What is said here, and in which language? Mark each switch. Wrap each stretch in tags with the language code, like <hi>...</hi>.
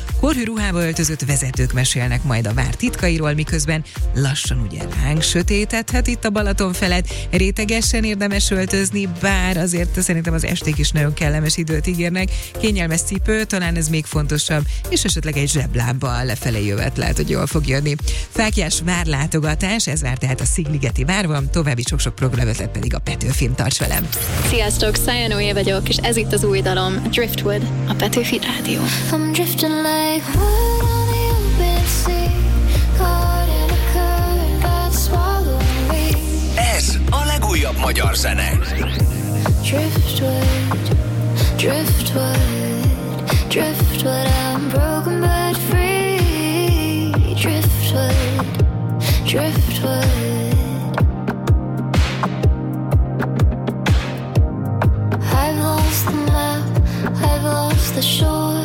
<hu>Korhű ruhába öltözött vezetők mesélnek majd a vár titkairól, miközben lassan ugye ránk sötétedhet itt a Balaton felett, rétegesen érdemes öltözni, bár azért szerintem az esték is nagyon kellemes időt ígérnek, kényelmes cipő, talán ez még fontosabb, és esetleg egy zseblámbal lefelé jövet lehet, hogy jól fog jönni. Fáklyás várlátogatás, ez vár tehát a Szigligeti várban, további sok-sok programötlet pedig a Petőfin, tarts velem! Sziasztok, Szajanóé vagyok, és ez itt az új dalom, Driftwood, a Petőfi Rádió.</hu> <en>I'm drifting like wood on the open sea, caught in a current that swallowed me.</en> <hu>Ez a legújabb magyar zene.</hu> <en>Driftwood, Driftwood, Driftwood, I'm broken but free. Driftwood, Driftwood, I've lost the map, I've lost the shore.</en>